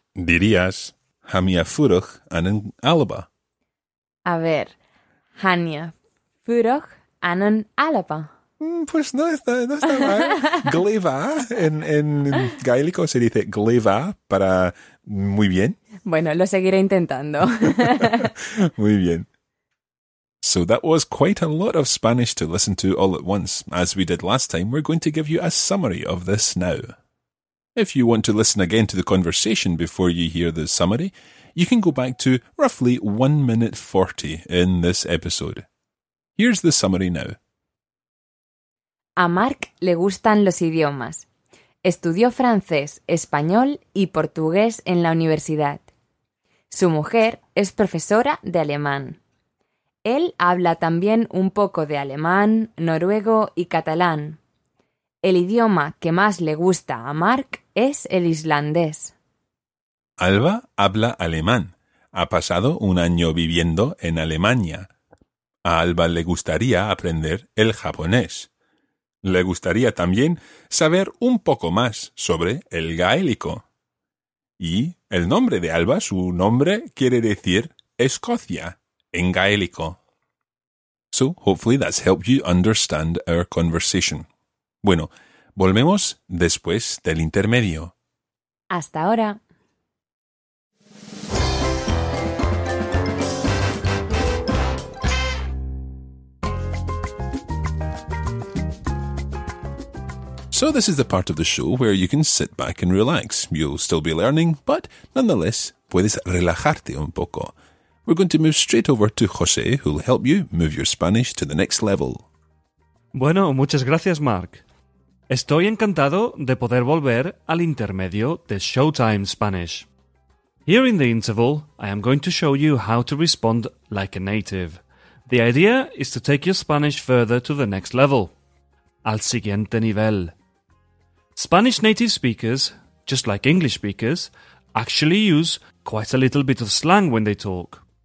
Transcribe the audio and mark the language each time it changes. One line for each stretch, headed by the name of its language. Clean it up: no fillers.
Spanish: Dirías, Hamia Furuch Anan Alba. A ver, Hamia Furuch Anan Alba. Pues no está mal. Gleva, en gaélico se dice gleva para muy bien. Bueno, lo seguiré intentando. Muy bien.
English: So that was quite a lot of Spanish to listen to all at once. As we did last time, we're going to give you a summary of this now. If you want to listen again to the conversation before you hear the summary, you can go back to roughly 1 minute 40 in this episode. Here's the summary now.
Spanish: A Mark le gustan los idiomas. Estudió francés, español y portugués en la universidad. Su mujer es profesora de alemán. Él habla también un poco de alemán, noruego y catalán. El idioma que más le gusta a Mark es el islandés. Alba habla alemán. Ha pasado un año viviendo en Alemania. A Alba le gustaría aprender el japonés. Le gustaría también saber un poco más sobre el gaélico. Y el nombre de Alba, su nombre, quiere decir Escocia en gaélico.
English: So, hopefully that's helped you understand our conversation.
Spanish: Bueno, volvemos después del intermedio. Hasta ahora.
English: So this is the part of the show where you can sit back and relax. You'll still be learning, but nonetheless,
Spanish: puedes relajarte un poco.
English: We're going to move straight over to José, who'll help you move your Spanish to the next level.
Spanish: Bueno, muchas gracias, Mark. Estoy encantado de poder volver al intermedio de Showtime Spanish.
English: Here in the interval, I am going to show you how to respond like a native. The idea is to take your Spanish further to the next level.
Spanish: Al siguiente nivel.
English: Spanish native speakers, just like English speakers, actually use quite a little bit of slang when they talk.